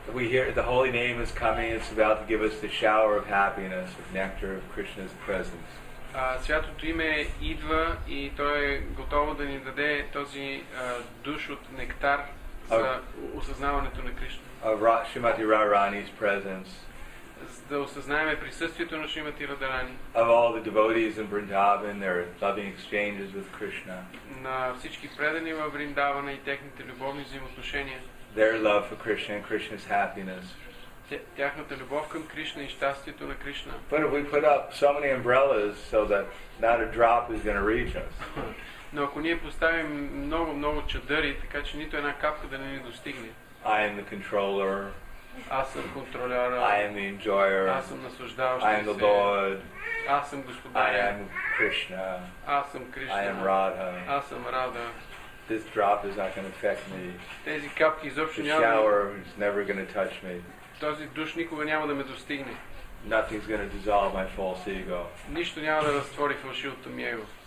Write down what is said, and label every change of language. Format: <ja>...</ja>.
<en>We hear the holy name is coming, it's about to give us the shower of happiness, of nectar of Krishna's presence.</en> <bg>Святото име идва и то е готово да ни даде този душ от нектар за осъзнаването на Кришна.</bg> <en>Shrimati Radharani's presence.</en> <bg>Да осъзнаваме присъствието на Шримати Радарани.</bg> <en>Of all the devotees in Vrindavan, their loving exchanges with Krishna.</en> <bg>На всички предани във Вриндавана и техните любовни взаимоотношения.</bg> <en>Their love for Krishna and Krishna's happiness.</en> <bg>Тяхната любов към Кришна и щастието на Кришна.</bg> <en>But if we put up so many umbrellas so that not a drop is going to reach us.</en> <bg>Но ако ние поставим много много чадъри, така че нито една капка да не ни достигне.</bg> <en>I am the controller.</en> <bg>Аз съм контролера.</bg> <en>I am the enjoyer.</en> <bg>Аз съм наслаждаващия</bg> <en>се. I am the Lord.</en> <bg>Аз съм господар.</bg> <en>I am Krishna.</en> <bg>Аз съм Кришна.</bg> <en>I am Radha.</en> <bg>Аз съм Рада.</bg> <en>This drop is not going to affect me.</en> <bg>Тези капки изобщо няма.</bg> <en>The shower is never going to touch me.</en> <bg>Този душ никога няма да ме достигне.</bg> <en>Nothing's going to dissolve my false ego.</en> <bg>Нищо няма да разтвори фалшивото ми его.</bg>